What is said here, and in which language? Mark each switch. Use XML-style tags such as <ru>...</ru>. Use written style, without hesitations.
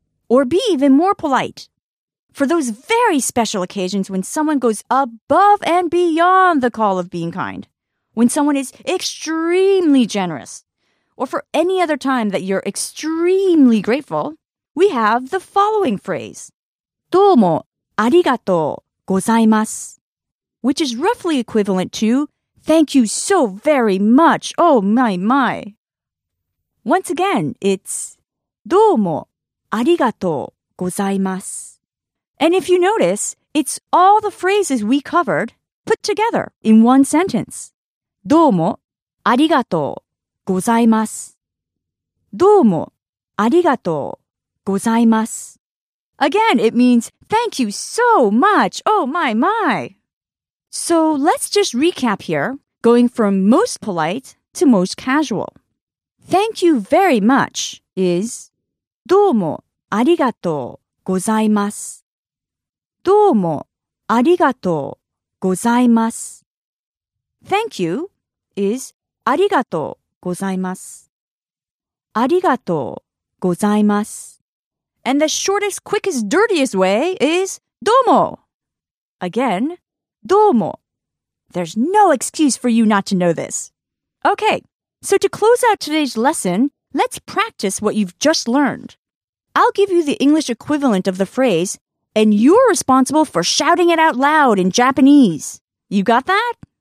<en>Or be even more polite. For those very special occasions when someone goes above and beyond the call of being kind, when someone is extremely generous, or for any other time that you're extremely grateful, we have the following phrase,</en> <ja>Domo arigato gozaimasu,</ja> <en>which is roughly equivalent to thank you so very much, oh my my. Once again, it's</en> <ja>Domo arigato gozaimasu.</ja> <en>And if you notice, it's all the phrases we covered put together in one sentence.</en> <ja>どうも ありがとうございます. どうも ありがとうございます.</ja> <en>Again, it means thank you so much. Oh my my. So let's just recap here, going from most polite to most casual. Thank you very much is</en> <ja>どうも ありがとうございます. どうも ありがとうございます.</ja> <en>Thank you is</en> <ja>ありがとうございます. ありがとうございます.</ja> <en>And the shortest, quickest, dirtiest way is どうも. Again, どうも There's no excuse for you not to know this. Okay, so to close out today's lesson, let's practice what you've just learned. I'll give you the English equivalent of the phrase, and you're responsible for shouting it out loud in Japanese. You got that?</en>